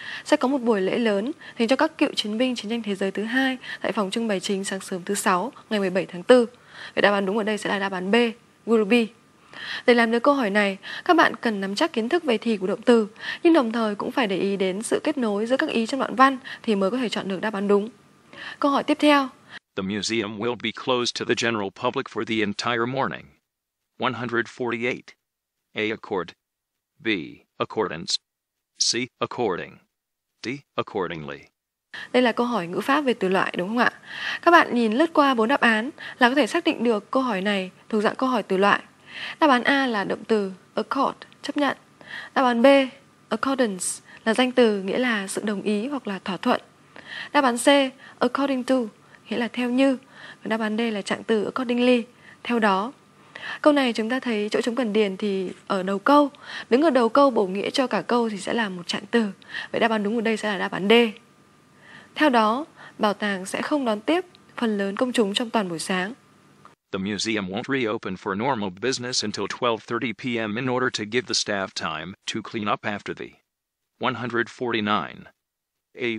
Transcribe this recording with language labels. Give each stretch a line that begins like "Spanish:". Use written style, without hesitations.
Vietnamese: Sẽ có một buổi lễ lớn dành cho các cựu chiến binh chiến tranh thế giới thứ 2 tại phòng trưng bày chính sáng sớm thứ 6 ngày 17 tháng 4. Vậy đáp án đúng ở đây sẽ là đáp án B,
English: will be.
Vietnamese: Để làm được câu hỏi này, các bạn cần nắm chắc kiến thức về thì của động từ, nhưng đồng thời cũng phải để ý đến sự kết nối giữa các ý trong đoạn văn thì mới có thể chọn được đáp án đúng. Câu hỏi tiếp theo.
English: The museum will be closed to the general public for the entire morning. 148. A. Accord. B. Accordance. C. According. D. Accordingly.
Vietnamese: Đây là câu hỏi ngữ pháp về từ loại đúng không ạ? Các bạn nhìn lướt qua 4 đáp án là có thể xác định được câu hỏi này thuộc dạng câu hỏi từ loại. Đáp án A là động từ accord, chấp nhận. Đáp án B, accordance, là danh từ nghĩa là sự đồng ý hoặc là thỏa thuận. Đáp án C, according to, nghĩa là theo như. Và đáp án D là trạng từ accordingly, theo đó. Câu này chúng ta thấy chỗ trống cần điền thì ở đầu câu. Đứng ở đầu câu bổ nghĩa cho cả câu thì sẽ là một trạng từ. Vậy đáp án đúng ở đây sẽ là đáp án D. Theo đó, bảo tàng sẽ không đón tiếp phần lớn công chúng trong toàn buổi sáng.
English: The museum won't reopen for normal business until 12:30 p.m. in order to give the staff time to clean up after the 149. A.